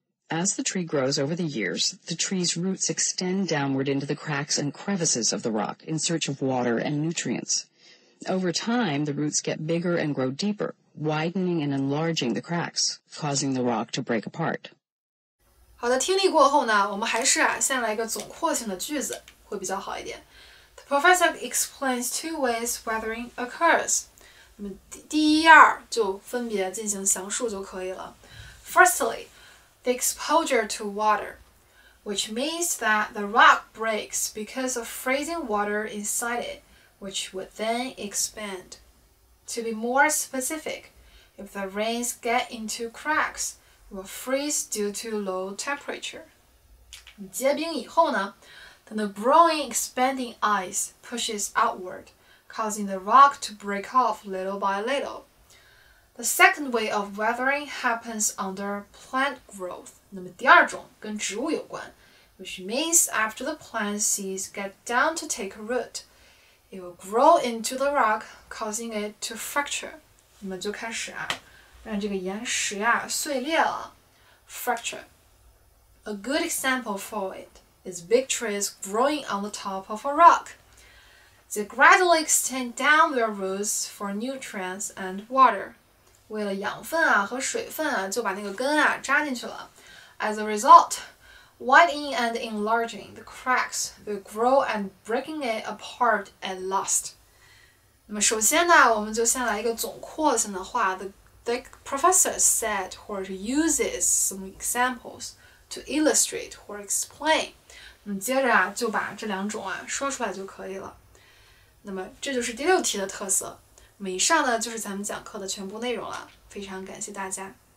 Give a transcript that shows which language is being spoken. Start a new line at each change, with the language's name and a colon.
English: As the tree grows over the years, the tree's roots extend downward into the cracks and crevices of the rock in search of water and nutrients. Over time, the roots get bigger and grow deeper, widening and enlarging the cracks, causing the rock to break apart.
Chinese: 好的，听力过后呢，我们还是啊，先来一个总括性的句子会比较好一点。
English: The professor explains two ways weathering occurs.
Chinese: 那么第一二就分别进行详述就可以了。
English: Firstly, the exposure to water, which means that the rock breaks because of freezing water inside it, which would then expand. To be more specific, if the rains get into cracks,will freeze due to low temperature.
Chinese: 结冰以后呢
English: then the growing expanding ice pushes outward, causing the rock to break off little by little. The second way of weathering happens under plant growth.
Chinese: 那么第二种跟植物有关
English: which means after the plant seeds get down to take root, it will grow into the rock, causing it to fracture.
Chinese: 那么就开始啊让这个岩石啊碎裂了 ，fracture.
English: A good example for it is big trees growing on the top of a rock. They gradually extend down their roots for nutrients and water.
Chinese: 为了养分啊和水分啊，就把那个根啊扎进去了。
English: As a result, widening and enlarging the cracks will grow and breaking it apart at last.
Chinese: 那么首先呢，我们就先来一个总括性的话的。
English: The professor said, or uses some examples to illustrate or explain.
Chinese: 那么接着啊，就把这两种啊说出来就可以了。那么这就是第六题的特色。那么以上呢，就是咱们讲课的全部内容了。非常感谢大家。